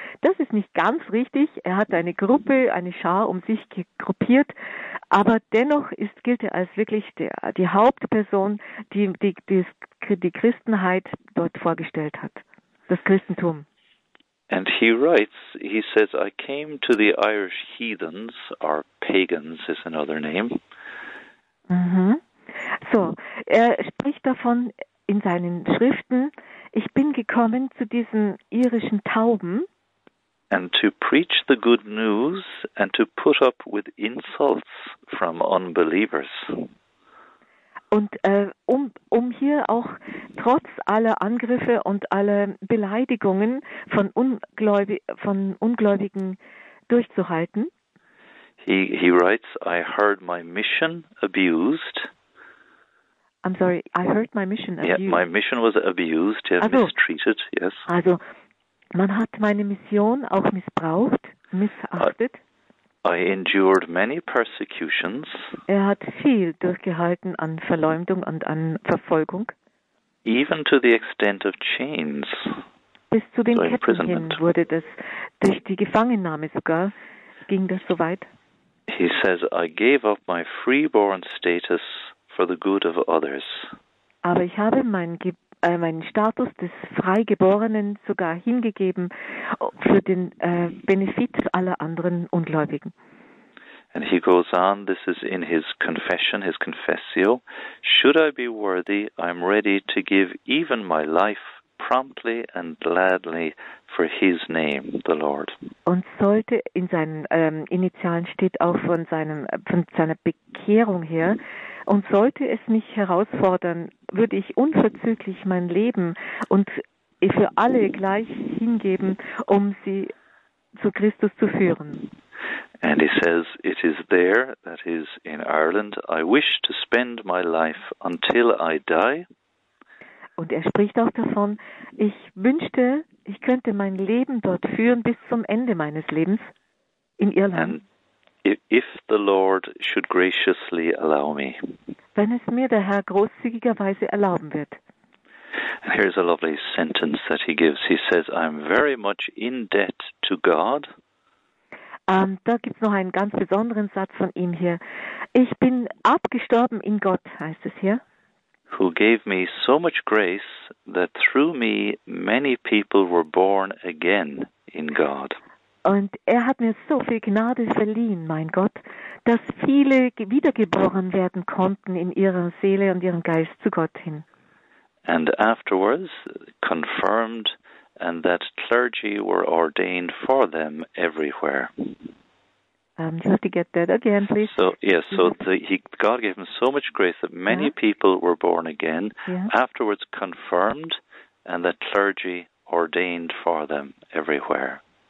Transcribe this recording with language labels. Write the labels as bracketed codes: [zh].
[de] Das ist nicht ganz richtig. Er hat eine Gruppe, eine Schar um sich gruppiert, aber dennoch gilt er als wirklich die Hauptperson, die Christenheit dort vorgestellt hat, das Christentum. [en] And he writes, he says, I came to the Irish heathens, or pagans is another name. [de] Mm-hmm. So, er spricht davon, in seinen Schriften, ich bin gekommen zu diesen irischen Tauben. [en] And to preach the good news and to put up with insults from unbelievers. [de] Und um hier auch trotz aller Angriffe und aller Beleidigungen von Ungläubigen durchzuhalten. [en] He writes, I heard my mission abused. I'm sorry, I heard my mission abused. Yeah, my mission was abused, yeah, [de] also, [en] mistreated, yes. [de] Also, man hat meine Mission auch missbraucht, missachtet. [en] I endured many persecutions. [de] Er hat viel durchgehalten an Verleumdung und an Verfolgung. [en] Even to the extent of chains. [de] Bis zu den Ketten hin wurde das, durch die Gefangennahme sogar, ging das so weit. [en] He says, I gave up my freeborn status for the good of others. [de] Aber ich habe meinen Status des Freigeborenen sogar hingegeben für den Benefit aller anderen Ungläubigen. [en] And he goes on, this is in his confession, his confessio. Should I be worthy, I'm ready to give even my life promptly and gladly for his name, the Lord. [de] Und sollte in seinen Initialen steht auch von seiner Bekehrung her, und sollte es mich herausfordern, würde ich unverzüglich mein Leben und für alle gleich hingeben, um sie zu Christus zu führen. [en] And he says, it is there, that is in Ireland, I wish to spend my life until I die. [de] Und er spricht auch davon, ich wünschte, ich könnte mein Leben dort führen bis zum Ende meines Lebens in Irland. [en] And if the Lord should graciously allow me. [de] Wenn es mir der Herr großzügigerweise erlauben wird. [en] And here's a lovely sentence that he gives. He says, I'm very much in debt to God. [de] Da gibt's noch einen ganz besonderen Satz von ihm hier. Ich bin abgestorben in Gott, heißt es hier. [en] Who gave me so much grace that through me many people were born again in God. [de] Und er hat mir so viel Gnade verliehen, mein Gott, dass viele wiedergeboren werden konnten in ihrer Seele und ihrem Geist zu Gott hin. [en] And afterwards confirmed and that clergy were ordained for them everywhere. You have to get that again, please. So, yes, so God gave him so much grace that many people were born again, afterwards confirmed and that clergy ordained for them everywhere.